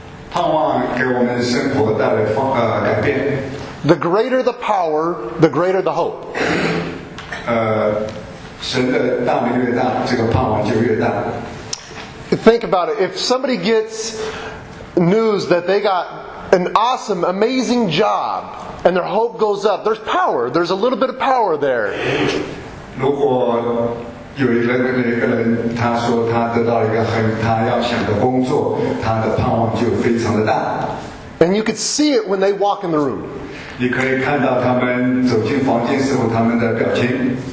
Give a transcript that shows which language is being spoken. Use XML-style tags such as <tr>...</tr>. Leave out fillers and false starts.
<zh>盼望给我们生活带来改变。</zh> <en>The greater the power, the greater the hope.</en> <zh>神的大能越大，这个盼望就越大。</zh> <en>Think about it. If somebody gets news that they got an awesome, amazing job, and their hope goes up, there's power. There's a little bit of power there.</en> <zh>如果有一个人，他说他得到一个很他要想的工作，他的盼望就非常的大。</zh> <en>And you could see it when they walk in the room.</en> <zh>你可以看到他们走进房间时候他们的表情。</zh>